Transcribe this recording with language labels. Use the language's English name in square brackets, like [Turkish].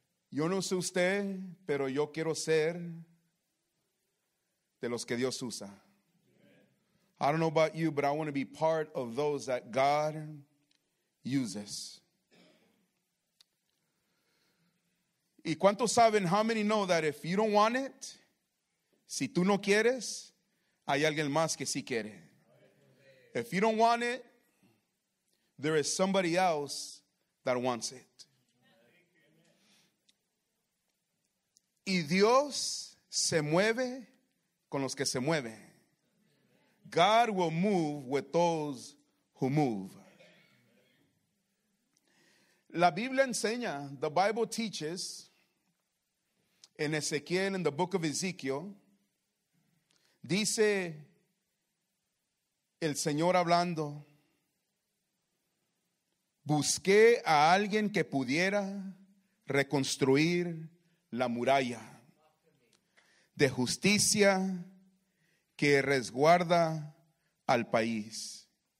[Spanish] Yo no sé usted, pero yo quiero ser de los que Dios usa. [English] I don't know about you, but I want to be part of those that God uses. [Spanish] ¿Y cuántos saben, [English] how many know that if you don't want it, [Spanish] si tú no quieres, hay alguien más que sí quiere? [English] If you don't want it, there is somebody else that wants it. [Spanish] Y Dios se mueve con los que se mueven. [English] God will move with those who move. [Spanish] La Biblia enseña, [English] the Bible teaches, [Spanish] en Ezequiel, [English] in the book of Ezekiel, [Spanish] dice el Señor hablando, busqué a alguien que pudiera reconstruir la muralla de justicia que resguarda al país.